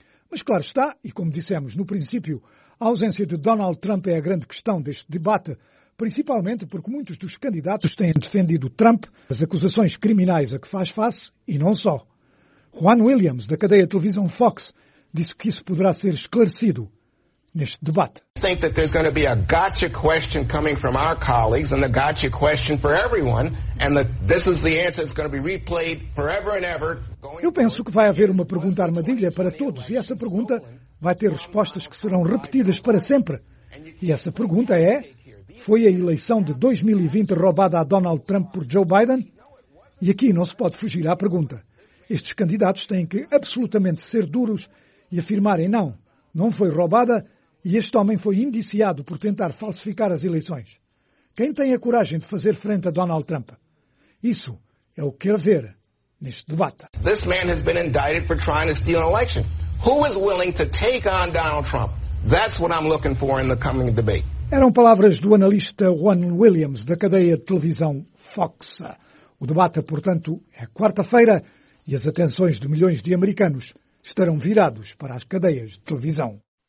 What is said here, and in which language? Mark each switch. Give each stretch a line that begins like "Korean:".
Portuguese: Mas claro está, e como dissemos no princípio, a ausência de Donald Trump é a grande questão deste debate, principalmente porque muitos dos candidatos têm defendido Trump, as acusações criminais a que faz face, e não só. Juan Williams, da cadeia de televisão Fox, disse que isso poderá ser esclarecido neste debate.
English: Think that there's going to be a gotcha question coming from our colleagues and the gotcha question for everyone and that this is the answer that's going to be replayed forever and ever.
Portuguese: Eu penso que vai haver uma pergunta armadilha para todos e essa pergunta vai ter respostas que serão repetidas para sempre. E essa pergunta é: foi a eleição de 2020 roubada a Donald Trump por Joe Biden? E aqui não se pode fugir à pergunta. Estes candidatos têm que absolutamente ser duros e afirmarem não, não foi roubada e este homem foi indiciado por tentar falsificar as eleições. quem tem a coragem de fazer frente a Donald Trump? Isso é o que quero ver neste debate.
English: This man has been indicted for trying to steal an election. Who is willing to take on Donald Trump? That's what I'm looking for in the coming debate.
Portuguese: Eram palavras do analista Juan Williams, da cadeia de televisão Fox. O debate, portanto, é quarta-feira e as atenções de milhões de americanos estarão virados para as cadeias de televisão.